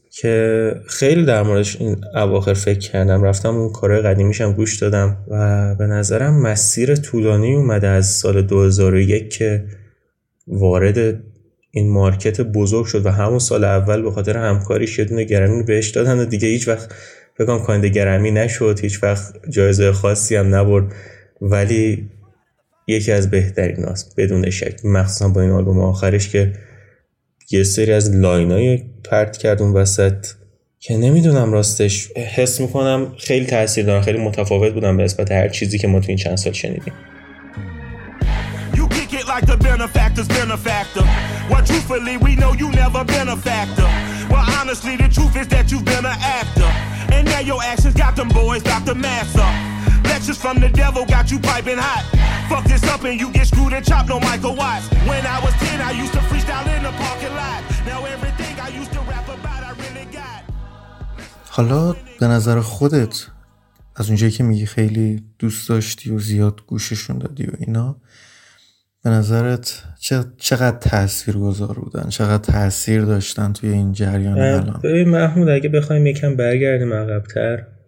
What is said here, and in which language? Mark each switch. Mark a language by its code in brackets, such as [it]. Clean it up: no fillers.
[fa] که خیلی در موردش این اواخر فکر کردم، رفتم اون کارهای قدیمیشم گوش دادم و به نظرم مسیر طولانی اومده از سال 2001 که وارد این مارکت بزرگ شد و همون سال اول به خاطر همکاریش یه دونه گرمی بهش دادن و دیگه هیچ وقت بگم کننده گرمی نشد، هیچ وقت جایزه خاصی هم نبرد، ولی یکی از بهترین هاست بدون شک، مخصوصا با این آلبوم آخرش که یه سری از لاینای پرت کرد اون وسط که نمیدونم راستش حس میکنم خیلی تأثیر دارن، خیلی متفاوت بودن به نسبت هر چیزی که ما تو این چند سال شنیدیم. [en] Like the benefactor's benefactor. Well, truthfully, we know you never been a factor. Well, honestly, the truth is that you've been an actor. And now your actions got them boys about to mass up. Lectures from the devil got you piping hot. Fuck this up and you get screwed and chopped on Michael Watts. When I was 10, I used to freestyle in the parking lot. Now everything I used to rap about, I really got. [fa] حالا به نظر خودت، از اونجایی که میگی خیلی دوست داشتی و زیاد گوششون دادی و اینا، به نظرت چقدر تأثیر گذار بودن، چقدر تأثیر داشتن توی این جریان الان؟ ببین محمود، اگه بخوایم یکم برگردیم عقب‌تر،